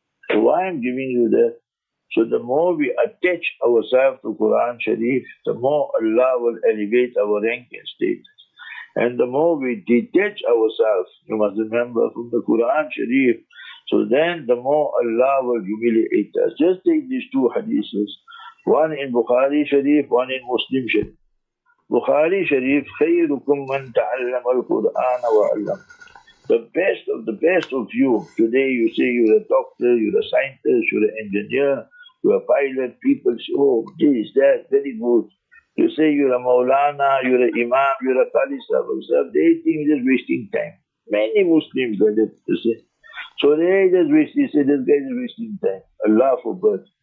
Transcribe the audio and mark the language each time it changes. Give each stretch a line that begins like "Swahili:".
English: So why I'm giving you that? So the more we attach ourselves to Quran Sharif, the more Allah will elevate our rank and status. And the more we detach ourselves, you must remember, from the Quran Sharif, so then the more Allah will humiliate us. Just take these two hadiths, one in Bukhari Sharif, one in Muslim Sharif.
Arabic: Bukhari Sharif, خَيْرُكُمْ مَنْ تَعَلَّمَ الْقُرْآنَ وَعَلَّمَ.
English: The best of the best of you, today you say you're a doctor, you're a scientist, you're an engineer, you're a pilot, people say, oh, this, that, very good. You say you're a Mawlana, you're a Imam, you're a Khalisa, they think you're just wasting time. Many Muslims like that, you see. So they just wasting, say this guy is wasting time. Allah forbid.